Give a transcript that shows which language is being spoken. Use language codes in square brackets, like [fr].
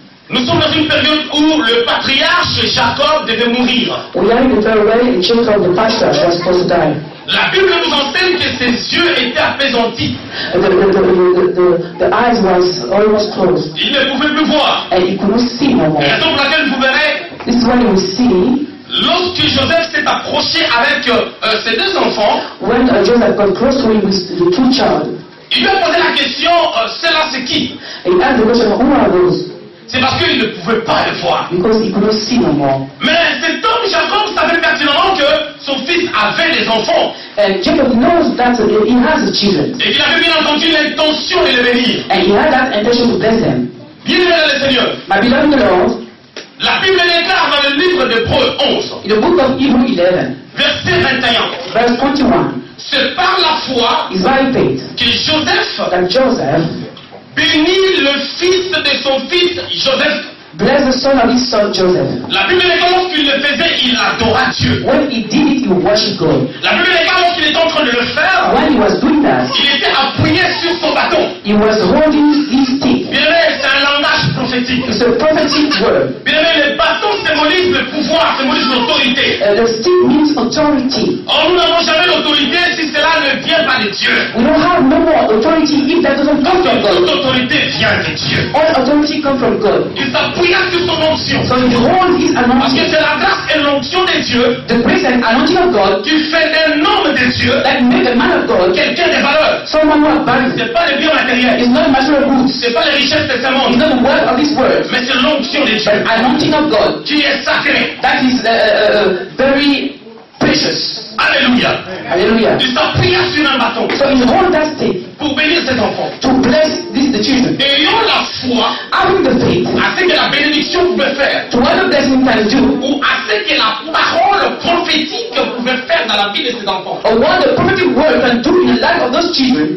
[fr] nous sommes dans une période où le patriarche Jacob devait mourir. [en] We are in the period where Jacob, the patriarch, was supposed to die. [fr] La Bible nous enseigne que ses yeux étaient appesantis. [en] The eyes was almost closed. [fr] Il ne pouvait plus voir. [en] And he could not see no more. [fr] Raison pour laquelle vous verrez. [en] This is when you see. [fr] Lorsque Joseph s'est approché avec ses deux enfants, [en] when Joseph got close to him with the two child, [fr] il lui a posé la question, cela c'est qui? [en] And he asked the question, who are those? [fr] C'est parce qu'il ne pouvait pas le voir. [en] Because he could not see no more. [fr] Mais cet homme Jacob savait pertinemment que son fils avait des enfants. [en] And Jacob knows that he has children. [fr] Et qu'il avait bien entendu l'intention de les bénir. [en] And he had that intention to bless them. [fr] Bien-aimé le Seigneur. [en] My beloved Lord. [fr] La Bible déclare dans le livre d'Hébreux 11, [en] in the book of Hebrews 11, [fr] verset 21, [en] verse 21, [fr] c'est par la foi [en] by faith, [fr] que Joseph, [en] that Joseph [fr] bénit le fils de son fils Joseph. [en] Bless the son of his son Joseph. [fr] La Bible déclare lorsqu'il le faisait, il adora Dieu. [en] When he did it, he worshipped God. [fr] La Bible déclare lorsqu'il était en train de le faire, [en] when he was doing that, [fr] il était appuyé sur son bâton. [en] He was holding his stick. [fr] Bien-aimé, c'est un langage prophétique. [en] It's a prophetic word. [fr] Bien-aimé, le bâton symbolise le pouvoir, symbolise l'autorité. [en] The stick means authority. [fr] Or, nous n'avons jamais l'autorité si cela ne vient pas de Dieu. [en] We don't have no more authority if that doesn't come from God. [fr] Toute autorité vient de Dieu. [en] All authority comes from God. So he holds his anointing. [fr] Parce que c'est la grâce et l'onction de Dieu. [en] The grace and anointing of God. [fr] Qui fait d'un homme de Dieu. [en] That made a man of God. [fr] Quelqu'un de valeur. [en] Someone who has value. [fr] C'est pas les biens matériels. [en] It's not material goods. [fr] C'est pas les richesses de ce monde. [en] It's not the wealth of this world. [fr] Mais c'est l'onction de Dieu. [en] But anointing of God. [fr] Qui est sacré. [en] That is very precious. [fr] Alléluia. Alléluia. Il s'appuie sur un bâton. [en] So he holds that stick. [fr] Pour bénir ses enfants. [en] To bless these children. [fr] Ayant la foi. [en] Having the faith. [fr] À ce que la bénédiction pouvait faire. [en] To what the blessing can do. [fr] Ou à ce que la parole prophétique pouvait faire dans la vie de ses enfants. [en] Or what the prophetic word can do in the life of those children.